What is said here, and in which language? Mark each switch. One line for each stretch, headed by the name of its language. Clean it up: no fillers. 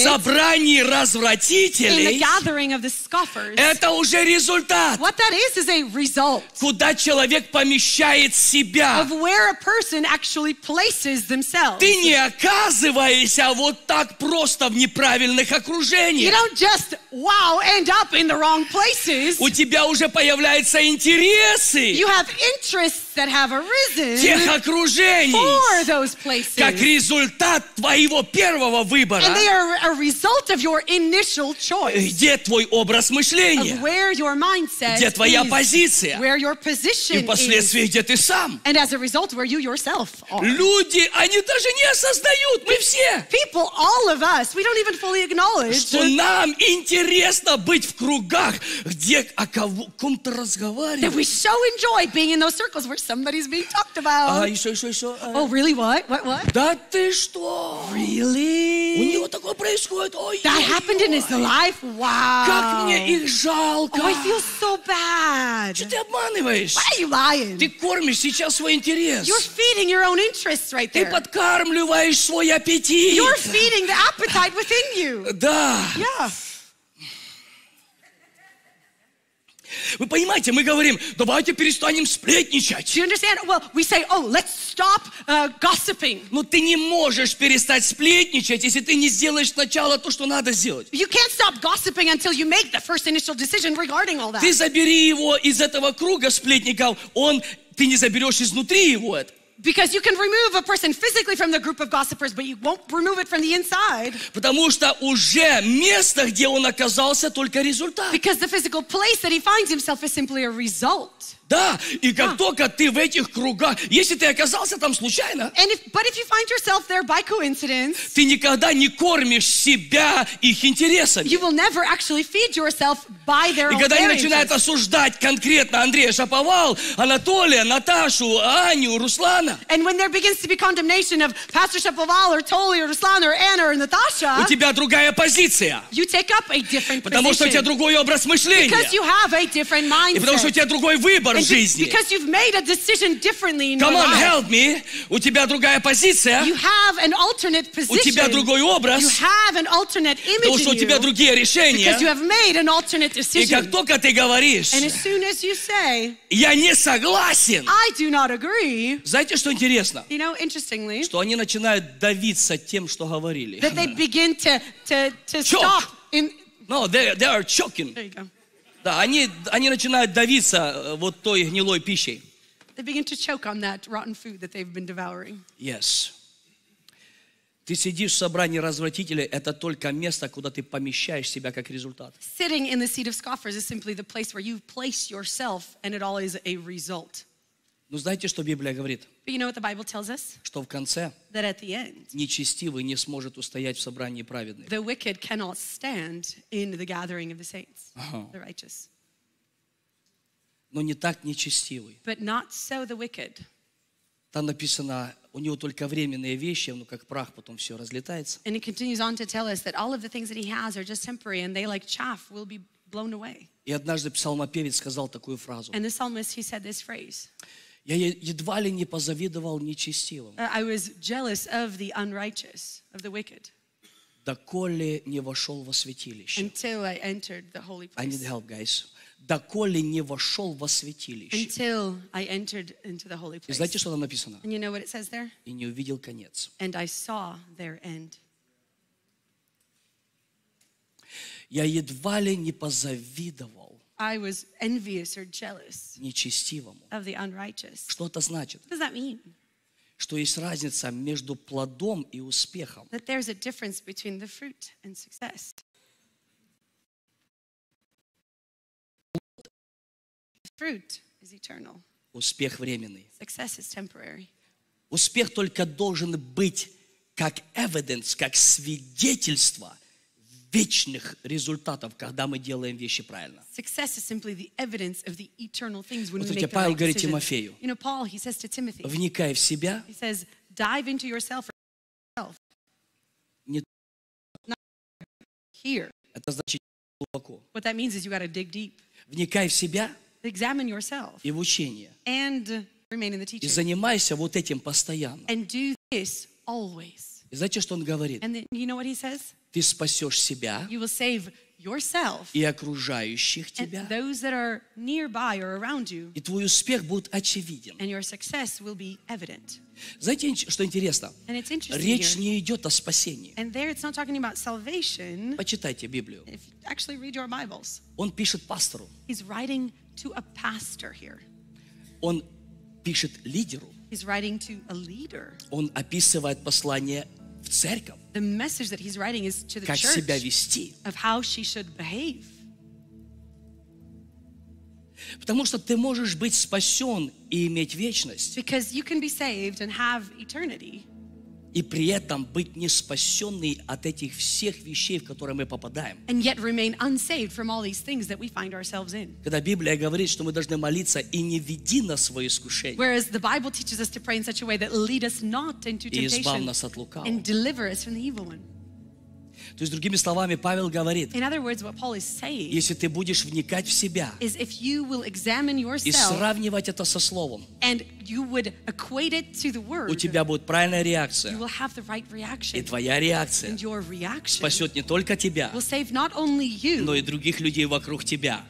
Russian: в собрании развратителей,
English: in the gathering of the scoffers,
Russian: это уже результат,
English: what that is a result,
Russian: куда человек помещает себя,
English: of where a person actually places themselves.
Russian: Ты не оказываешься вот так просто в неправильных окружениях,
English: you don't just, wow, end up in the wrong places.
Russian: У тебя уже появляются интересы,
English: you have interests that have have arisen
Russian: тех окружений,
English: for those places,
Russian: как результат твоего первого выбора,
English: and they are a result of your initial choice,
Russian: где твой образ мышления,
English: of where your mindset,
Russian: где твоя
English: is,
Russian: позиция,
English: where your position,
Russian: и впоследствии,
English: is,
Russian: где ты сам.
English: And as a result, where you yourself are.
Russian: Люди, они даже не осознают, мы все,
English: people, all of us, we don't even fully acknowledge,
Russian: что нам интересно быть в кругах, где о ком-то разговаривают.
English: That we so enjoy being in those circles where somebody's being talked about.
Russian: Еще.
English: Oh, really? What?
Russian: Да ты что?
English: Really?
Russian: У него такое происходит.
English: That happened in his life? Wow.
Russian: Как мне их жалко.
English: Oh, I feel so bad.
Russian: Что ты обманываешь?
English: Why are you lying?
Russian: Ты кормишь сейчас свой интерес.
English: You're feeding your own interests right there.
Russian: Ты подкармливаешь свой аппетит.
English: You're feeding the appetite within you.
Russian: Да.
English: Yeah.
Russian: Вы понимаете, мы говорим, давайте перестанем сплетничать.
English: Do you understand? Well, we say, oh, let's stop gossiping.
Russian: Но ты не можешь перестать сплетничать, если ты не сделаешь сначала то, что надо сделать.
English: You can't stop gossiping until you make the first initial decision regarding all that.
Russian: Ты забери его из этого круга сплетников, ты не заберешь изнутри его это.
English: Because you can remove a person physically from the group of gossipers, but you won't remove it from the inside.
Russian: Потому что уже место, где он оказался, только результат.
English: Because the physical place that he finds himself is simply a result.
Russian: Да, и как только ты в этих кругах, если ты оказался там случайно,
English: and if you find yourself there by coincidence,
Russian: ты никогда не кормишь себя их интересами.
English: You will never actually feed yourself by their own.
Russian: И когда они начинают осуждать конкретно Андрея Шаповал, Анатолия, Наташу, Аню, Руслана,
English: and when there begins to be condemnation of Pastor Шаповал or Толи or Руслана or Anna or Natasha,
Russian: у тебя другая позиция.
English: You take up a different position.
Russian: Потому что у тебя другой образ мышления.
English: Because you have a different mindset.
Russian: И потому что у тебя другой выбор.
English: Because you've made a decision differently in come your on, life. Help me.
Russian: У тебя другая позиция.
English: You have an alternate position.
Russian: У тебя другой образ.
English: You have an alternate image.
Russian: Потому что у тебя другие решения.
English: Because you have made an alternate decision.
Russian: И как только ты говоришь,
English: and as soon as you say,
Russian: я не согласен,
English: I do not agree.
Russian: Знаете, что интересно?
English: You know, interestingly,
Russian: что они начинают давиться тем, что говорили.
English: That they begin to stop. No, they are choking. There you go.
Russian: Да, они начинают давиться вот той гнилой пищей.
English: They begin to choke on that rotten food that they've been devouring. Yes.
Russian: Ты сидишь в собрании развратителей, это только место, куда ты помещаешь себя как результат.
English: Sitting in the seat of scoffers is simply the place where you place yourself, and it all is a result.
Russian: Но знаете, что Библия говорит?
English: But you know what the Bible tells us?
Russian: Что в конце?
English: That at the end,
Russian: нечестивый не сможет устоять в собрании праведных.
English: The wicked cannot stand in the gathering of the saints, the righteous.
Russian: Но не так нечестивый.
English: But not so the wicked.
Russian: Там написано, у него только временные вещи, но как прах потом все разлетается.
English: And it continues on to tell us that all of the things that he has are just temporary, and they like chaff will be blown away.
Russian: И однажды псалмопевец сказал такую фразу.
English: And the psalmist, he said this phrase.
Russian: Я едва ли не позавидовал нечестивым.
English: I was jealous of the unrighteous, of the wicked.
Russian: Доколе не вошел во святилище.
English: Until I entered the holy place. I need help, guys.
Russian: Доколе не вошел во святилище.
English: Until I entered into the holy place.
Russian: И знаете, что там написано?
English: And you know what it says there?
Russian: И не увидел конец.
English: And I saw their end.
Russian: Я едва ли не позавидовал.
English: I was envious or jealous
Russian: нечестивому.
English: Of the unrighteous.
Russian: Что это значит?
English: What does that mean?
Russian: Что есть разница между плодом и успехом.
English: That there's a difference between the fruit and success. Fruit is eternal.
Russian: Успех временный.
English: Success is temporary.
Russian: Успех только должен быть как evidence, как свидетельство вечных результатов, когда мы делаем вещи правильно.
English: Success is simply the evidence of the eternal things when
Russian: вот
English: we make
Russian: Павел
English: the right decision.
Russian: Тимофею,
English: you know, Paul, he says to Timothy,
Russian: вникай в себя.
English: He says, dive into yourself.
Russian: Не
English: not here.
Russian: Это значит глубоко.
English: What that means is you got to dig deep.
Russian: Вникай в себя.
English: Examine yourself.
Russian: И в учение.
English: And remain in the teaching.
Russian: И занимайся вот этим постоянно.
English: And do this always.
Russian: И знаете, что он говорит?
English: And then, you know what he says?
Russian: Ты спасешь себя.
English: You will save yourself.
Russian: И окружающих тебя.
English: And those that are nearby or around you.
Russian: И твой успех будет очевиден.
English: And your success will be evident.
Russian: Знаете, что интересно?
English: And it's interesting.
Russian: Речь
English: here.
Russian: Не идет о спасении.
English: And there it's not talking about salvation.
Russian: Почитайте Библию.
English: If you actually read your Bibles.
Russian: Он пишет пастору.
English: He's writing to a pastor here.
Russian: Он пишет лидеру.
English: He's writing to a leader.
Russian: Он описывает послание в церковь.
English: The message that he's writing is to the
Russian: как
English: church.
Russian: Как себя вести.
English: Of how she should behave.
Russian: Потому что ты можешь быть спасен и иметь вечность.
English: Because you can be saved and have eternity.
Russian: И при этом быть не спасенный от этих всех вещей, в которые мы попадаем.
English: And yet remain unsaved from all these things that we find ourselves in.
Russian: Когда Библия говорит, что мы должны молиться и не веди нас в искушение.
English: Whereas the Bible teaches us to pray in such a way that lead us not into temptation.
Russian: И избав нас от лукавого.
English: And deliver us from the evil one.
Russian: То есть, другими словами, Павел говорит, если ты будешь вникать в себя и сравнивать это со Словом, у тебя будет правильная реакция. И твоя реакция спасет не только тебя, но и других людей вокруг тебя.